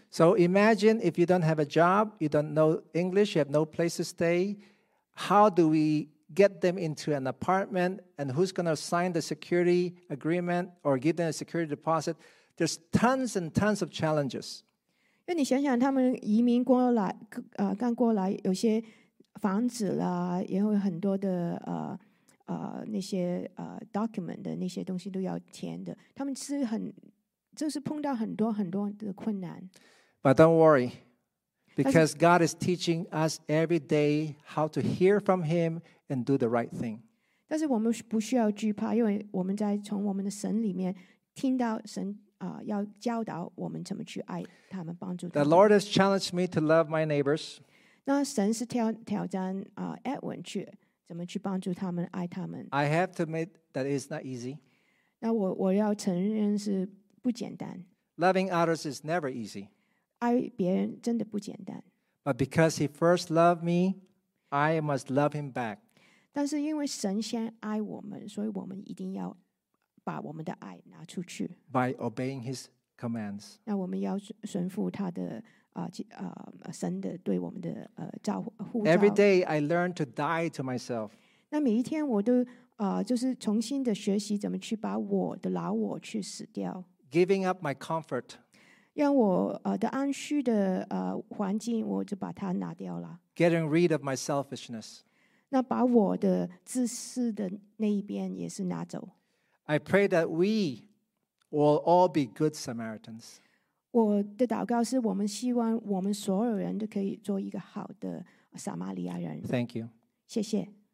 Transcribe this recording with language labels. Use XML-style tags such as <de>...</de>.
<en>So imagine if you don't have a job, you don't know English, you have no place to stay. How do we get them into an apartment? And who's going to sign the security agreement or give them a security deposit? There's tons and tons of challenges.</en> <zh>因为你想想，他们移民过来，刚过来，有些房子啦，也有很多的那些document 的那些东西都要填的，他们是很，就是碰到很多很多的困难。</zh> <en>But don't worry, because God is teaching us every day how to hear from Him and do the right thing.</en> <zh>但是我们不需要惧怕，因为我们在从我们的神里面听到神要教导我们怎么去爱他们，帮助他们。</zh> <en>The Lord has challenged me to love my neighbors.</en> <zh>那神是挑战Edwin 去。怎么去帮助他们，爱他们。</zh> <en>I have to admit that it's not easy.</en> <zh>那我要承认是不简单。</zh> <en>Loving others is never easy.</en> <zh>爱别人真的不简单。</zh> <en>But because he first loved me, I must love him back.</en> <zh>但是因为神先爱我们，所以我们一定要把我们的爱拿出去。</zh> <en>By obeying his commands.</en> <zh>那我们要顺服他的神的对我们的召呼召。</zh> <en>Every day I learn to die to myself.</en> <zh>那每一天我都就是重新的学习怎么去把我的老我去死掉。</zh> <en>Giving up my comfort.</en> <zh>让我的安虚的环境我就把它拿掉了。</zh> <en>Getting rid of my selfishness.</en> <zh>那把我的自私的那一边也是拿走。</zh> <en>I pray that we will all be good Samaritans.</en> <zh>我的祷告是我们希望我们所有人都可以做一个好的撒玛利亚人。</zh> <en>Thank you.</en> <zh>谢谢。</zh>